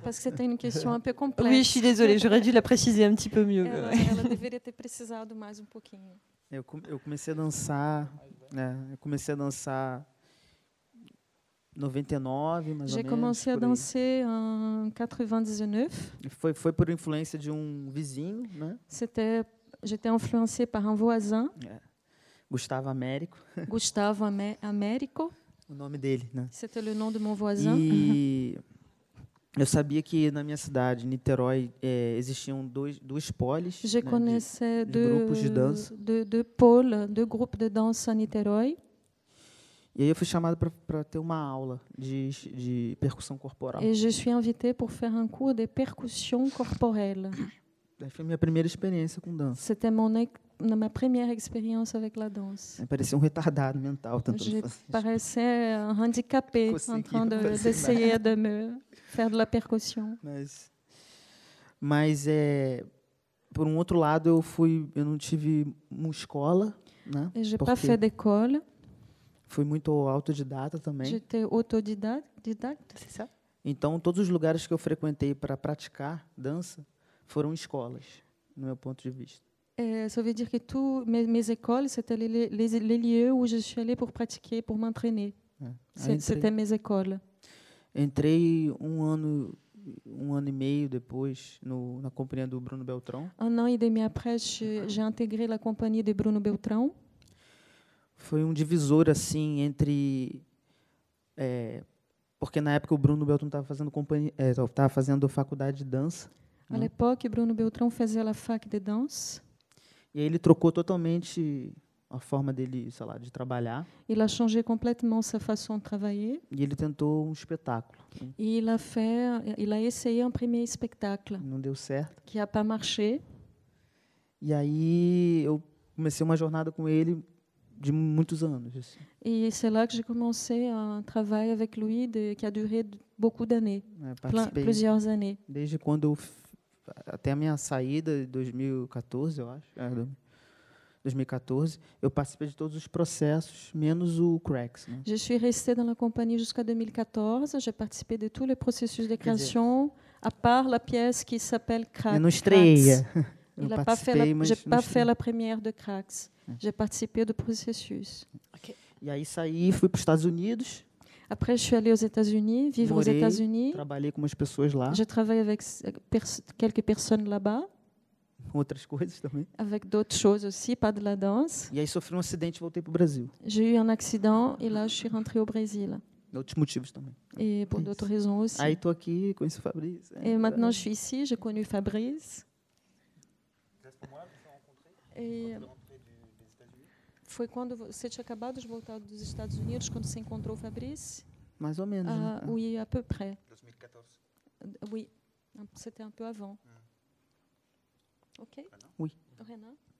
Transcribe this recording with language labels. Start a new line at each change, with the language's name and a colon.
French: parce que c'était une question un peu complexe. Oui, je suis désolée, j'aurais dû la préciser un petit peu mieux.
Portuguese: Ela deveria ter precisado mais pouquinho. Eu comecei a dançar, eu comecei a dançar 99, mais ou menos.
French: J'ai commencé à danser en 99.
Portuguese: Foi por influência de um vizinho, né?
French: J'étais influencé par un voisin.
Portuguese: Gustavo Américo. Gustavo Américo. O nome dele, né?
French: C'était le nom de mon voisin.
Portuguese: E eu sabia que na minha cidade, Niterói, existiam duas polis, né, grupos de dança.
French: Deux groupes de danse à Niterói.
Portuguese: E aí eu fui chamado para ter uma aula de percussão corporal.
French: Et je suis invité pour faire un cours de percussion corporelle.
Portuguese: Aí foi minha primeira experiência com dança.
French: C'était ma première expérience avec la danse.
Portuguese: Eu parecia um retardado mental tentando fazer. Parecia um
French: handicapé en train d'essayer de me faire de la percussion.
Portuguese: Mas por um outro lado, eu não tive uma escola, né?
French: Et j'ai pas fait d'école.
Portuguese: Fui muito autodidata também.
French: J'étais autodidacte. Então, todos os lugares que eu frequentei para praticar dança foram escolas, no meu ponto de vista. Ça veut dire que toutes mes écoles, c'était les lieux où je suis allée pour pratiquer, pour m'entraîner. C'était mes écoles.
Portuguese: Entrei um ano e meio depois na companhia do Bruno Beltrão.
French: Un an et demi après, j'ai intégré la compagnie de Bruno Beltrão.
Portuguese: Foi um divisor assim entre porque na época o Bruno Beltrão estava fazendo faculdade de dança.
French: À l'époque, Bruno Beltrão
Portuguese: fazia
French: la fac de danse.
Portuguese: E aí ele trocou totalmente a forma dele, sei lá, de trabalhar.
French: Il a changé complètement sa façon de travailler.
Portuguese: E ele tentou um espetáculo.
French: Et il a fait, il a essayé un premier spectacle.
Portuguese: Não deu certo.
French: Qui a pas marché.
Portuguese: E aí eu comecei uma jornada com ele de muitos anos, assim.
French: Et c'est là que j'ai commencé un travail avec lui de, qui a duré beaucoup d'années. Plusieurs années.
Portuguese: Desde quando eu até a minha saída em 2014, eu acho. É, 2014, eu participei de todos os processos, menos o Cracks. Né?
French: Je suis restée dans la compagnie jusqu'à 2014, j'ai participé de tous les processus de création, à part la pièce qui s'appelle Cracks.
Portuguese: Eu não estreia.
French: Il a pas fait la, j'ai pas fait la première de Cracks. J'ai participé de processus.
Portuguese: Okay. E aí saí, fui para os Estados Unidos.
French: Après, je suis allée aux États-Unis, vivre aux États-Unis.
Portuguese: Trabalhei com umas pessoas lá.
French: J'ai travaillé avec quelques personnes là-bas.
Portuguese: Outras coisas também.
French: Avec d'autres choses aussi, pas de la danse.
Portuguese: E aí sofri um acidente e voltei para o Brasil.
French: J'ai eu un accident et là je suis rentrée au Brésil. D'autres
Portuguese: motivos também.
French: Et pour d'autres raisons aussi.
Portuguese: Aí tô aqui, conheço o Fabrice.
French: Et maintenant je suis ici, j'ai connu Fabrice.
Portuguese: Foi quando você tinha acabado de voltar dos Estados Unidos, quando você encontrou o Fabrice? Mais ou menos.
French: Ah, oui, à peu près. 2014. Oui, c'était un peu avant. Ok? Oui. Renan?